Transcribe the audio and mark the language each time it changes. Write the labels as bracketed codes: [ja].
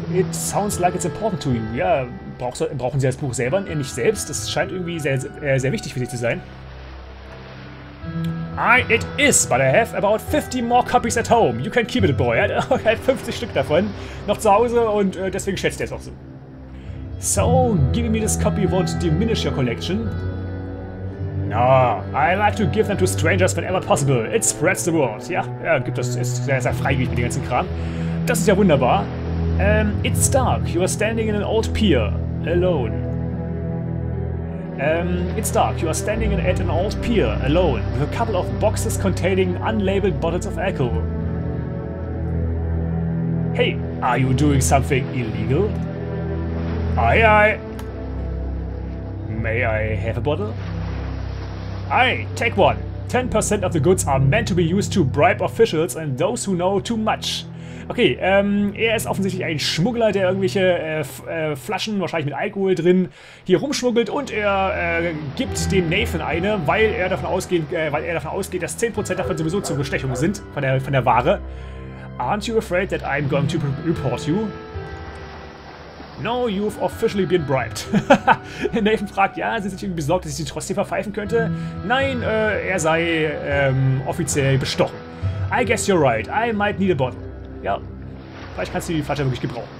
[en] It sounds like it's important to you. [de] Ja, brauchen Sie das Buch selber, nicht selbst? Das scheint irgendwie sehr wichtig für Sie zu sein. [en] It is, but I have about 50 more copies at home. You can keep it, boy. [de] Er hat 50 Stück davon noch zu Hause und deswegen schätzt er es auch so. [en] So, giving me this copy won't diminish your collection. No, I like to give them to strangers whenever possible. It spreads the word. [de] Ja, er gibt das, ist sehr freigebig mit dem ganzen Kram. Das ist ja wunderbar. [en] It's dark. You are standing in an old pier. Alone. It's dark. You are standing at an old pier. Alone. With a couple of boxes containing unlabeled bottles of alcohol. Hey, are you doing something illegal? Aye, aye. May I have a bottle? Aye, take one. 10% of the goods are meant to be used to bribe officials and those who know too much. [de] Okay, er ist offensichtlich ein Schmuggler, der irgendwelche Flaschen, wahrscheinlich mit Alkohol drin, hier rumschmuggelt und er gibt dem Nathan eine, weil er davon ausgeht, dass 10% davon sowieso zur Bestechung sind, von der Ware. [en] Aren't you afraid that I'm going to report you? No, you've officially been bribed. [de] Nathan fragt, ja, sind Sie sich irgendwie besorgt, dass ich sie trotzdem verpfeifen könnte? Nein, er sei offiziell bestochen. [en] I guess you're right. I might need a bottle. [de] Ja, vielleicht kannst du die Flasche wirklich gebrauchen.